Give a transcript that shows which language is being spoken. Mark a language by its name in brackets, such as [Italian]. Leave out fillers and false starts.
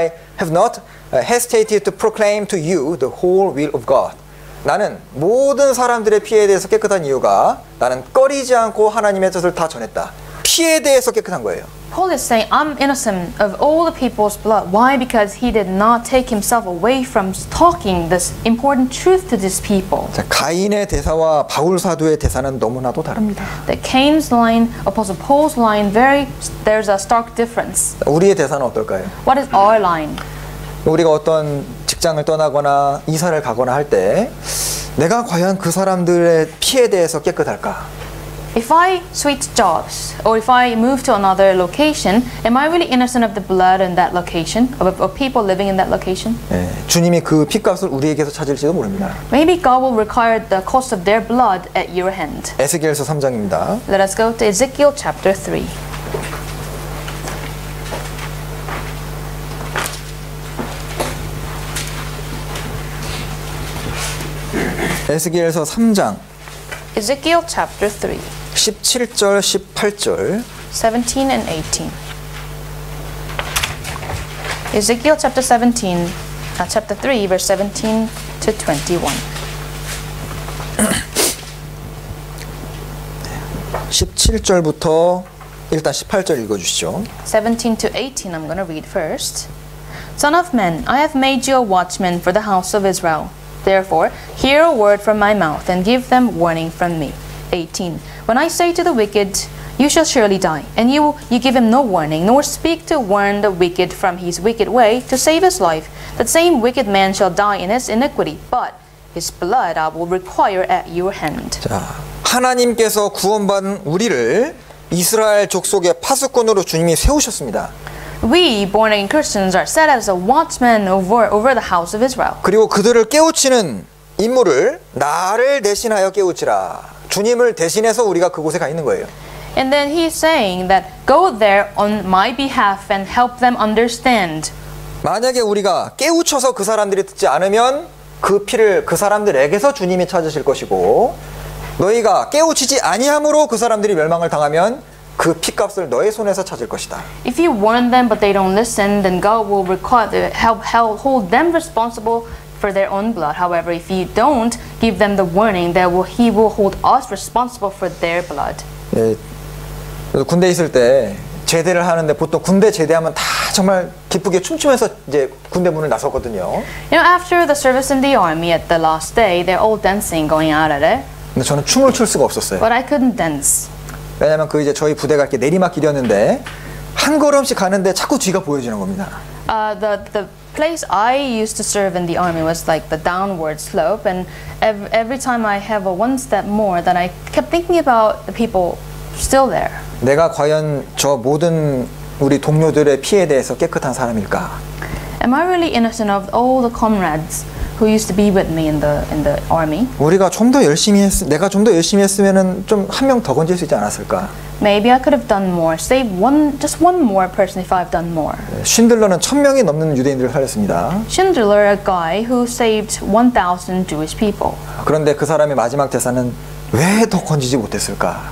[English] For I have not hesitated to proclaim to you the whole will of God. [Korean] 나는 모든 사람들의 피에 대해서 깨끗한 이유가 나는 꺼리지 않고 하나님의 뜻을 다 전했다. 피에 대해서 깨끗한 거예요. [English] Paul is saying, I'm innocent of all the people's blood. Why? Because he did not take himself away from talking this important truth to these people. [Korean] 자, 가인의 대사와 바울 사도의 대사는 너무나도 다릅니다. [English] The Cain's line, Apostle Paul's line, there's a stark difference. [Korean] 우리의 대사는 어떨까요? [English] What is our line? [Korean] 우리가 어떤 직장을 떠나거나 이사를 가거나 할 때 내가 과연 그 사람들의 피에 대해서 깨끗할까? [English] If I switch jobs or if I move to another location, am I really innocent of the blood in that location of people living in that location? [Korean] 예, 주님이 그 피값을 우리에게서 찾을지도 모릅니다. [English] Maybe God will require the cost of their blood at your hand. [Korean] 에스겔서 3장입니다. [English] Let us go to Ezekiel chapter 3. [Korean] 에스겔서 3장. [English] Ezekiel chapter 3. [Korean] 17절, 18절 [English] 17 and 18 Ezekiel chapter 17, chapter 3, verse 17 to 21 [Korean] 17절부터 일단 18절 읽어주시죠 [English] 17 to 18 I'm going to read first Son of man, I have made you a watchman for the house of Israel. Therefore, hear a word from my mouth and give them warning from me. 18. When I say to the wicked, you shall surely die, and you give him no warning, nor speak to warn the wicked from his wicked way to save his life, that same wicked man shall die in his iniquity, but his blood I will require at your hand. [Korean] 자, 하나님께서 구원받은 우리를 이스라엘 족속의 파수꾼으로 주님이 세우셨습니다. [English] We born again Christians are set as a watchman over the house of Israel. [Korean] 그리고 그들을 깨우치는 임무를 나를 대신하여 깨우치라. 주님을 대신해서 우리가 그곳에 가 있는 거예요. [English] And then he's saying that go there on my behalf and help them understand. [Korean] 만약에 우리가 깨우쳐서 그 사람들이 듣지 않으면 그 피를 그 사람들에게서 주님이 찾으실 것이고 너희가 깨우치지 아니함으로 그 사람들이 멸망을 당하면 그 피값을 너의 손에서 찾을 것이다. [English] If you warn them but they don't listen, then God will require help hold them responsible. For their own blood. However, if you don't give them the warning, that he will hold us responsible for their blood. [Korean] 네, 군대 있을 때 제대를 하는데 보통 군대 제대하면 다 정말 기쁘게 춤추면서 이제 군대 문을 나섰거든요. [English] You know, after the service in the army at the last day, they're all dancing going out at it. [Korean] 근데 저는 춤을 출 수가 없었어요. [English] But I couldn't dance. [Korean] 왜냐면 그 이제 저희 부대가 이렇게 내리막길이었는데 한 걸음씩 가는데 자꾸 뒤가 보여지는 겁니다. [English] The place I used to serve in the army was like the downward slope, and every time I have a one step more, then I kept thinking about the people still there. [Korean] 내가 과연 저 모든 우리 동료들의 피에 대해서 깨끗한 사람일까? [English] Am I really innocent of all the comrades who used to be with me in the army? [Korean] 우리가 좀 더 열심히 했, 내가 좀 더 열심히 했으면은 좀 한 명 더 건질 수 있지 않았을까? [English] Maybe I could have done more. Save one, just one more person if I've done more. [Korean] 쉰들러는 천 명이 넘는 유대인들을 살렸습니다. [English] Schindler, a guy who saved 1,000 Jewish people. [Korean] 그런데 그 사람의 마지막 대사는 왜 더 건지지 못했을까?